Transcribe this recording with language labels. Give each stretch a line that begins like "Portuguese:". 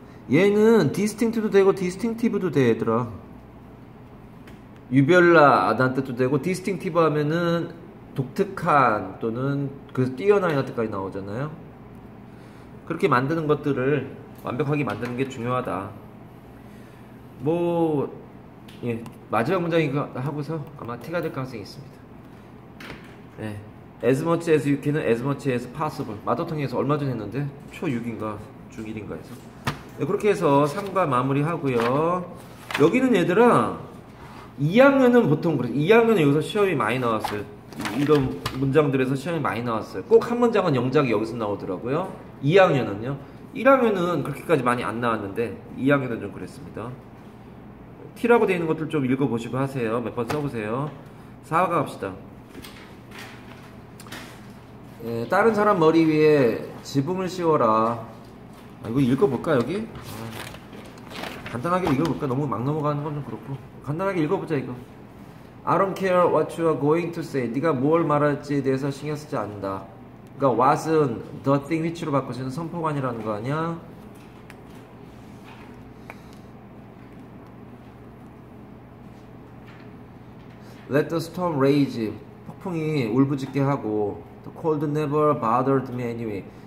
Korean: 얘는 디스팅트도 되고 디스팅티브도 되더라. 유별나 아단 뜻도 되고 디스팅티브 하면은 독특한 또는 그 뛰어난 이런 뜻까지 나오잖아요. 그렇게 만드는 것들을 완벽하게 만드는 게 중요하다. 뭐, 예, 마지막 문장이고 하고서 아마 티가 될 가능성이 있습니다. 예,
English: as much as you can
Korean: 은
English: as much as possible.
Korean: 마더텅에서 얼마 전에 했는데 초 6인가 중 1인가 해서. 예, 그렇게 해서 3과 마무리 하고요. 여기는 얘들아, 2학년은 보통 그래. 2학년에 여기서 시험이 많이 나왔어요. 이런 문장들에서 시험이 많이 나왔어요. 꼭한 문장은 영작이 여기서 나오더라고요. 2학년은요. 1학년은 그렇게까지 많이 안 나왔는데 2학년은 좀 그랬습니다. T라고 되어 있는 것들 좀 읽어보시고 하세요. 몇번 써보세요. 4화 갑시다. 예, 다른 사람 머리 위에 지붕을 씌워라. 아, 이거 읽어볼까, 여기? 아, 간단하게 읽어볼까? 너무 막 넘어가는 건좀 그렇고. 간단하게 읽어보자, 이거.
English: I don't care what you are going to say.
Korean: 네가 뭘 말할지에 대해서 신경 쓰지 않는다. 그러니까 what은
English: the thing which
Korean: 로 바꿔주는 선포관이라는 거 아니야?
English: Let the storm rage.
Korean: 폭풍이 울부짖게 하고,
English: The cold never bothered me anyway.